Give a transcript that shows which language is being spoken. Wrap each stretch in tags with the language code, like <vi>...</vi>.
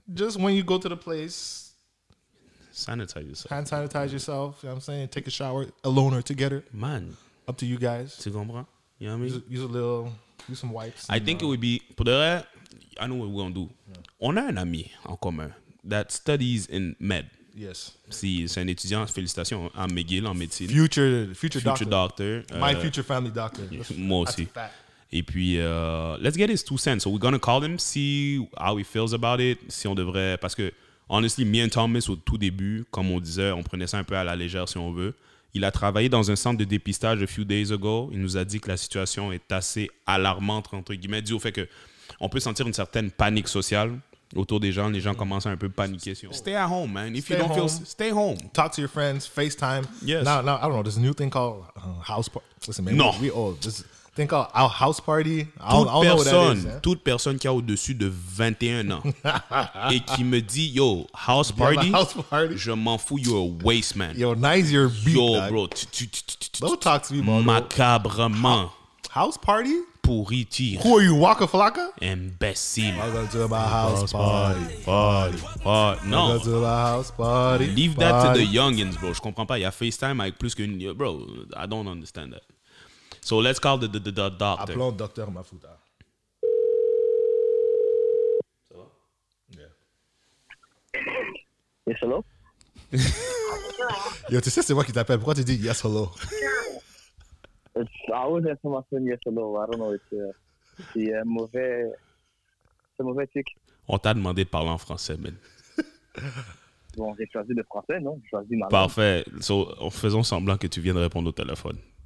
<en>Just when you go to the place. Sanitize yourself. Hand sanitize yourself, you know what I'm saying? Take a shower alone or together. Man. Up to you guys.</en> <fr>Tu comprends?</fr> <en>You know what I mean? Use some wipes. I think it would be,</en> <fr>pour de vrai,</fr> <en>I know what we're going to do. Yeah.</en> <fr>On a un ami en commun</fr> <en>that studies in med. Yes.</en> <fr>Si, c'est un étudiant, félicitations, à McGill en médecine.</fr> <en>Future doctor. My future family doctor.</en> <fr>Moi aussi. Et puis,</fr> <en>let's get his two cents. So we're going to call him, see how he feels about it.</en> <fr>Si on devrait, parce que,</fr> <en>honestly, me and Thomas,</en> <fr>au tout début, comme on disait, on prenait ça un peu à la légère si on veut. Il a travaillé dans un centre de dépistage</fr> <en>a few days ago.</en> <fr>Il nous a dit que la situation est assez alarmante, entre guillemets, dû au fait qu'on peut sentir une certaine panique sociale autour des gens. Les gens commencent à un peu paniquer. Si on...</fr> <en>Stay at home, man. If stay you don't home. Feel, stay home. Talk to your friends, FaceTime. Yes. Now, I don't know, there's a new thing called house party. Listen, man, no. We all just... Think of our house party.</en> <fr>Toute personne qui a au-dessus de 21 ans et qui me dit,</fr> <en>yo, house party,</en> <fr>je m'en fous,</fr> <en>you're a waste, man. Yo, nice, you're beat. Yo, bro. Don't talk to me, bro.</en> <fr>Macabrement.</fr> <en>House party?</en> <fr>Pourritir.</fr> <en>Who are you, Waka Flocka?</en> <fr>Imbécile.</fr> <en>I'm going to my house party. No. I'm going to my house party. Leave that to the youngins, bro.</en> <fr>Je comprends pas. Il y a FaceTime avec plus qu'une...</fr> <en>Bro, I don't understand that. So let's call the doctor.</en> <fr>Appelons Docteur Mafuta. Ça va?</fr> <en>Yeah. Yes, hello?</en> <fr>Yo, tu sais, c'est moi qui t'appelle. Pourquoi tu dis</fr> <en>yes, hello? I was asking my son yes, hello. I don't know.</en> <fr>C'est mauvais tic. On t'a demandé de parler en français, man. Bon, j'ai choisi le français, non? J'ai choisi ma langue. Parfait.</fr> <en>So,</en> <fr>faisons semblant que tu viens de répondre au téléphone.</fr>